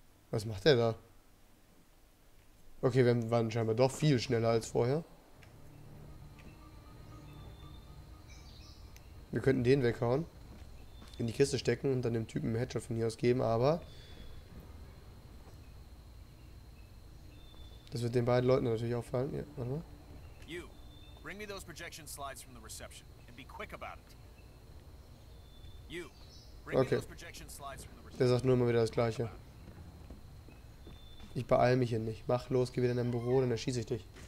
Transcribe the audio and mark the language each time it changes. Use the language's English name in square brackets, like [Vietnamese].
[German] Was macht der da? Okay, wir waren scheinbar doch viel schneller als vorher. Wir könnten den weghauen. In die Kiste stecken und dann dem Typen einen Headshot von hier aus geben, aber... Das wird den beiden Leuten natürlich auffallen. Ja, warte mal. [English] You, bring me those projection slides from the reception and be quick about it. You, bring me those projection slides from the reception. [German] Der sagt nur immer wieder das Gleiche. Ich beeil mich hier nicht. Mach los, geh wieder in dein Büro, dann erschieße ich dich.